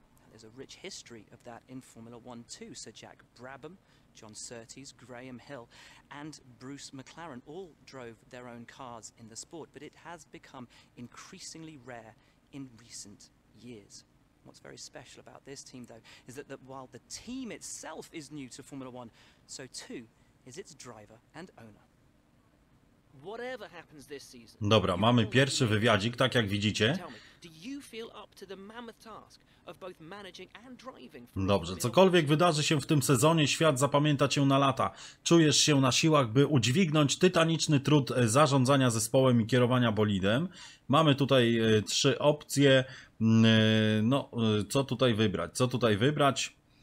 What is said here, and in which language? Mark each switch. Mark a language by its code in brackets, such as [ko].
[en] Now, there's a rich history of that in Formula One too, Sir Jack Brabham, John Surtees, Graham Hill and Bruce McLaren all drove their own cars in the sport, but it has become increasingly rare in recent years. What's very special about this team though is that while the team itself is new to Formula One, so too is its driver and owner. Whatever happens this season. [pl] Dobra, mamy pierwszy wywiadzik, tak jak widzicie. [en] feel up to the mammoth task of both managing and driving. [pl] Dobrze, cokolwiek wydarzy się w tym sezonie, świat zapamięta cię na lata. Czujesz się na siłach, by udźwignąć tytaniczny trud zarządzania zespołem i kierowania bolidem. Mamy tutaj trzy opcje. No, co tutaj wybrać?